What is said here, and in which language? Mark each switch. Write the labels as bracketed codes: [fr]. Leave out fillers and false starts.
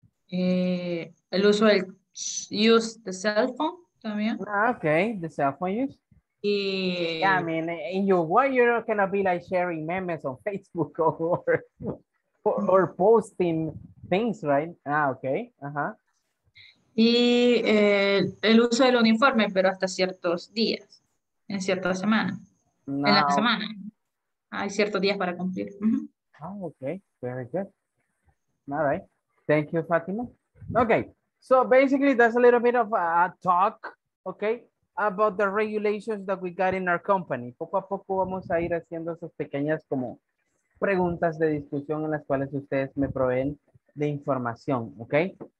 [es] El uso del [en] use the cell phone [es] también. [en] Ah, okay, the cell phone use. [es] Y, [en] yeah, I mean, in your work, you're not gonna be like sharing memes on Facebook or posting things, right? Ah, okay. [es] Y el uso del uniforme, pero hasta ciertos días, en cierta semana. No. En la semana. Hay ciertos días para cumplir. [en] Ah, okay. Very good. All right. Thank you, Fatima. Okay. So basically, that's a little bit of a talk. Okay. About the regulations that we got in our company. [es] Poco a poco vamos a ir haciendo esas pequeñas como preguntas de discusión en las cuales ustedes me proveen de información, okay?